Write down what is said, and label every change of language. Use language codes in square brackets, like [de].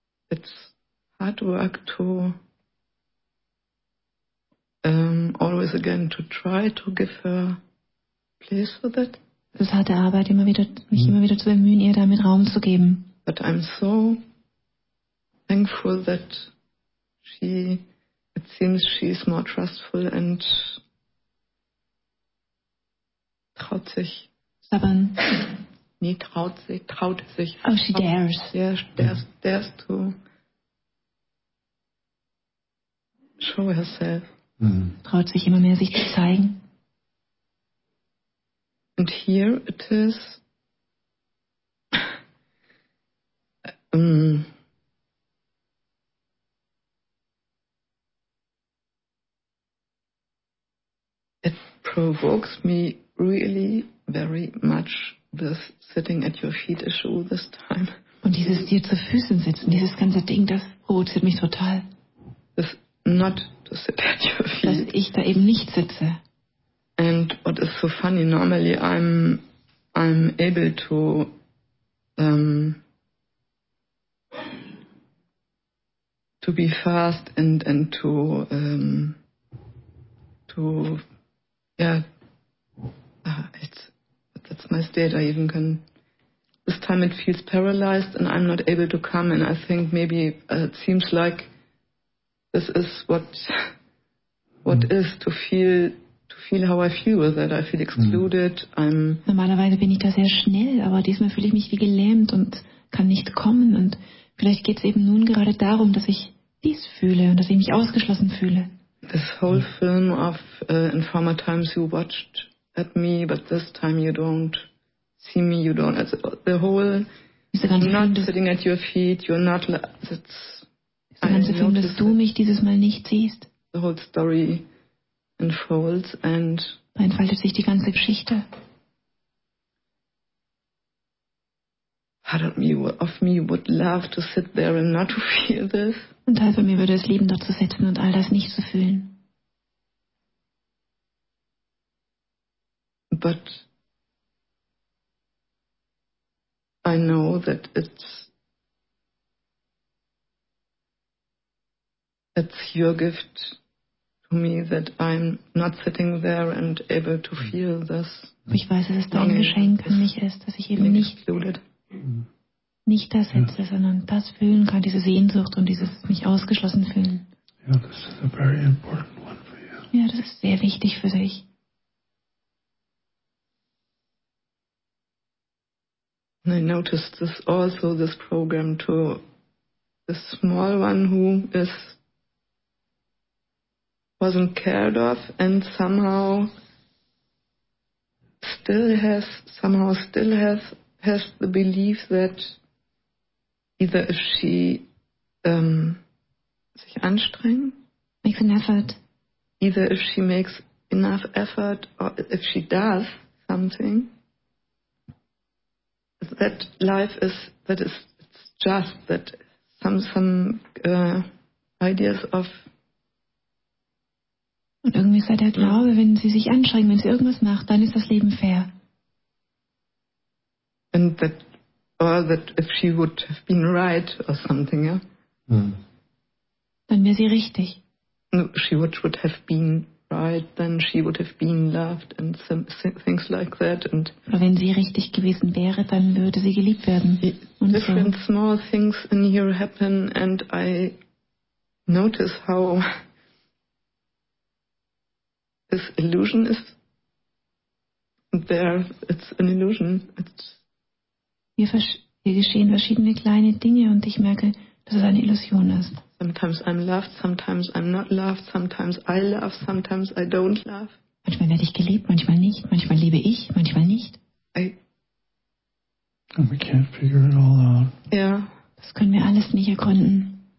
[en] It's hard work to always again to try to give her place with it. [de] Es ist harte Arbeit, immer wieder, mich immer wieder zu bemühen, ihr damit Raum zu geben. [en] But I'm so thankful that it seems she's more trustful and [de] traut sich. [en] Stubborn. [de] Nee, traut sich. [en] Oh, she dares. Yeah, dares to show herself. [de] Mm. Traut sich immer mehr, sich zu zeigen. [en] And here it is. It provokes me really very much, this sitting at your feet issue this time. [de] Und dieses dir zu Füßen sitzen, dieses ganze Ding, das provoziert mich total. [en] This not to sit at your feet. [de] Dass ich da eben nicht sitze. [en] And what is so funny, normally I'm able to to be fast and that's my state. I even can, this time it feels paralyzed and I'm not able to come, and I think maybe it seems like this is what is to feel. To feel how I feel with it, I feel excluded. I'm [de] normalerweise bin ich da sehr schnell, aber diesmal fühle ich mich wie gelähmt und kann nicht kommen. Und vielleicht geht es eben nun gerade darum, dass ich dies fühle und dass ich mich ausgeschlossen fühle. [en] This whole film of in former times you watched at me, but this time you don't see me. You don't. It's the whole. [de] Ist der ganze [en] not Film, sitting at your feet. You're not. [de] Ist der ganze Film, dass du mich dieses Mal nicht siehst. [en] The whole story. Unfolds and [de] entfaltet sich die ganze Geschichte. [en] Part of me would love to sit there and not to feel this. [de] Ein Teil von mir würde es lieben, dort zu sitzen und all das nicht zu fühlen. [en] But I know that it's your gift. Me that I'm not sitting there and able to feel this. [de] Ich weiß, dass es dein Geschenk an mich ist, dass ich eben nicht da sitze, ja, sondern das fühlen kann, diese Sehnsucht und dieses mich ausgeschlossen fühlen. Ja, [en] this is a very important one for you. [de] Ja, das ist sehr wichtig für dich. [en] And I noticed this also, this program to the small one who is wasn't cared of and somehow still has the belief that either if she [de] sich anstrengt, [en] makes an effort, either if she makes enough effort or if she does something, that life is, that is, it's just that some ideas of. [de] Und irgendwie sei der Glaube, wenn sie sich anstrengt, wenn sie irgendwas macht, dann ist das Leben fair. [en] And that, or that if she would have been right or something, yeah? [de] Dann wäre sie richtig. [en] No, she would have been right, then she would have been loved and things like that. And [de] oder wenn sie richtig gewesen wäre, dann würde sie geliebt werden. Und [en] different so. Small things in here happen and I notice how this illusion is there. It's an illusion. [de] Hier geschehen verschiedene kleine Dinge und ich merke, dass es eine Illusion ist. [en] Sometimes I'm loved, sometimes I'm not loved, sometimes I love, sometimes I don't love. [de] Manchmal werde ich geliebt, manchmal nicht, manchmal liebe ich, manchmal nicht. [en] And we can't figure it all out. Yeah. [de] Das können wir alles nicht ergründen.